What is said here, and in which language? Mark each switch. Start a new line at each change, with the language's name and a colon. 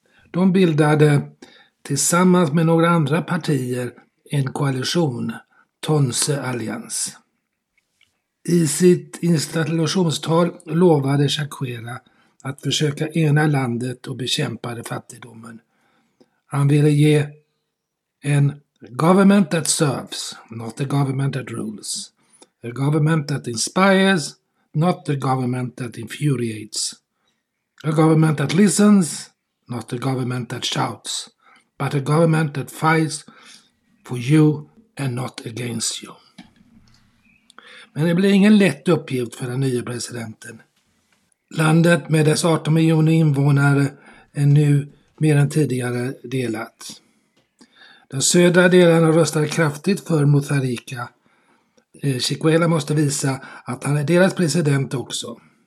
Swedish: De bildade tillsammans med några andra partier en koalition, Tonse Alliance. I sitt installationstal lovade Chakwera att försöka ena landet och bekämpa fattigdomen. Han ville ge en
English: government that serves, not a government that rules. A government that inspires, not a government that infuriates. A government that listens, not a government that shouts, but a government that fights for you and not against you.
Swedish: Men det blir ingen lätt uppgift för den nya presidenten. Landet med dess 18 miljoner invånare är nu mer än tidigare delat. Den södra delen röstar kraftigt för Mutharika. Chikwela måste visa att han är deras president också.